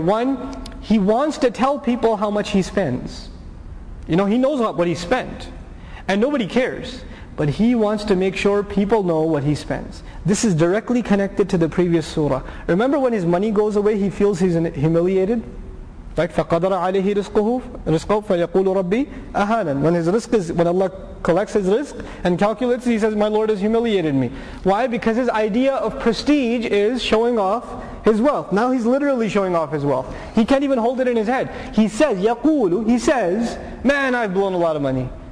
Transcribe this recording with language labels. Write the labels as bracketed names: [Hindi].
[English] One, he wants to tell people how much he spends. You know, he knows what he spent, and nobody cares. But he wants to make sure people know what he spends. This is directly connected to the previous surah. Remember when his money goes away, he feels he's humiliated? Like, [Arabic] فَقَدَرَ عَلَيْهِ رِزْقُهُ فَيَقُولُ رَبِّي أَهَانًا. [English] When his rizq is, when Allah collects his rizq and calculates, he says, my Lord has humiliated me. Why? Because his idea of prestige is showing off his wealth. Now he's literally showing off his wealth. He can't even hold it in his head. He says, يَقُولُ, he says, man, I've blown a lot of money.